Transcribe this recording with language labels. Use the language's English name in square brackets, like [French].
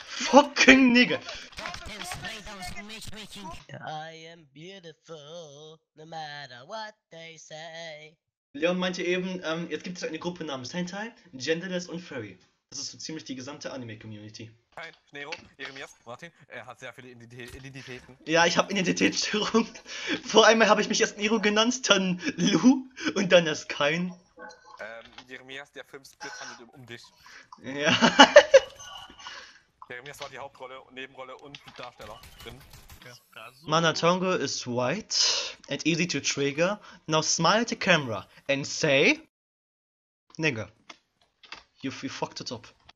[English] Fucking nigga! I am beautiful, no matter what they say. [German] Leon meinte eben, jetzt gibt es eine Gruppe namens Hentai, Genderless und Furry. Das ist so ziemlich die gesamte Anime-Community. Nein, Nero, Jeremias, Martin, er hat sehr viele Identitäten. Ja, ich habe Identitätsstörung. Vor einmal habe ich mich erst Nero genannt, dann Lu und dann erst Kain. Jeremias, der Film Split handelt um dich. Ja. Jeremias war die Hauptrolle, Nebenrolle und Darsteller drin. Okay. [English] Mana Tongo is white and easy to trigger. Now smile at the camera and say, nigga, you fucked it up.